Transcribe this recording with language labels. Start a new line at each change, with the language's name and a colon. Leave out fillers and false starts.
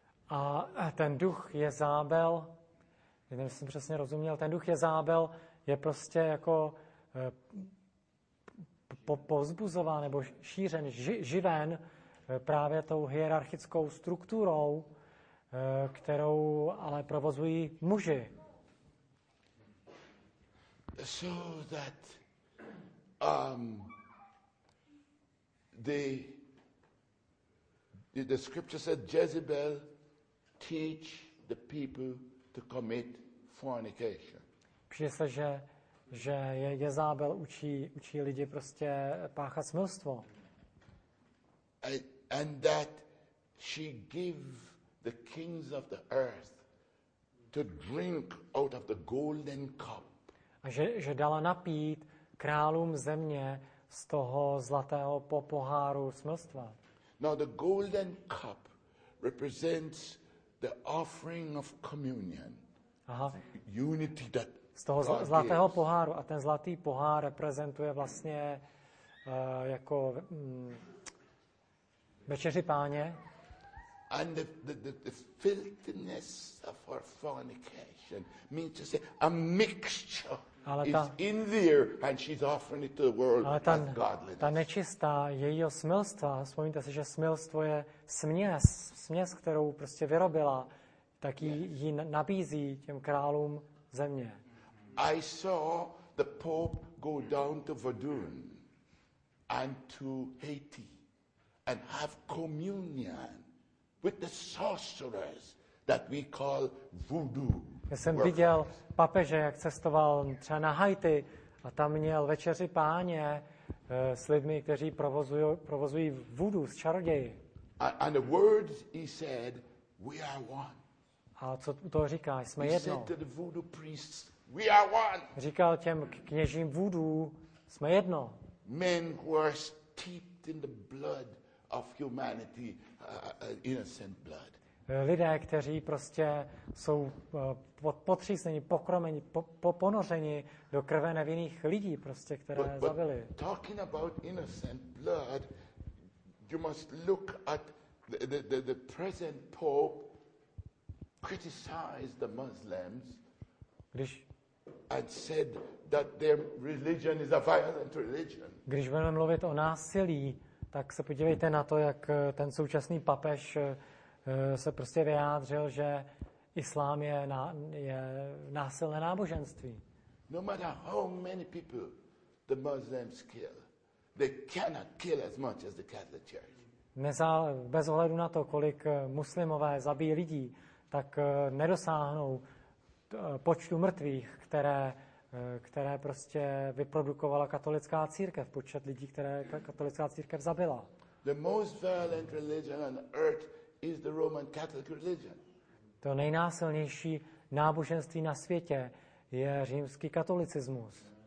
Czech: A ten duch Jezábel, nevím, jestli jsem přesně rozuměl, ten duch Jezábel je prostě jako povzbuzován nebo šířen, živen právě tou hierarchickou strukturou, kterou ale provozují muži.
English: So that the scripture said Jezebel teach the people to commit fornication.
Czech: Přijde, že Jezábel učí lidi prostě páchat smilstvo.
English: And that she give the kings of the earth to drink out of the golden cup.
Czech: A že dala napít králům země z toho zlatého poháru smilstva.
English: Now the golden cup represents the offering of communion. Aha. Unity that
Czech: z toho zlatého poháru a ten zlatý pohár reprezentuje vlastně jako večeři páně.
English: And the filthiness of her fornication means to say a mixture is in there and she's offering it to the world as godliness.
Czech: Ta nečistá jejího smilstva, vzpomínáte si, že smilstvo je směs, kterou prostě vyrobila, tak ji nabízí těm králům země.
English: I saw the Pope go down to Verdun. and to Haiti and have communion with the sorcerers that we call voodoo.
Czech: Já jsem viděl papeže, jak cestoval třeba na Haiti a tam měl večeři páně s lidmi, kteří provozují voodoo, s čaroději.
English: And the words he said, we are one.
Czech: A co to říká? Jsme jedno.
English: He said to the voodoo priests, we are one.
Czech: Říkal těm kněžím voodoo, jsme jedno.
English: Men who are steeped in the blood of humanity, innocent blood.
Czech: Lidé, kteří prostě jsou potřízení, pokromeni, ponořeni do krve nevinných lidí, prostě, které zabili.
English: Talking about innocent blood, you must look at the present pope criticized the Muslims and said that their religion is a violent religion.
Czech: Když budeme mluvit o násilí, tak se podívejte na to, jak ten současný papež se prostě vyjádřil, že islám je, je násilné náboženství.
English: No matter how many people the Muslims kill, they cannot kill as much as the Catholic Church.
Czech: Bez ohledu na to, kolik muslimové zabijí lidí, tak nedosáhnou počtu mrtvých, které prostě vyprodukovala katolická církev, počet lidí, které katolická církev zabila.
English: The most violent religion on earth is the Roman Catholic religion.
Czech: To nejnásilnější náboženství na světě je římský katolicismus.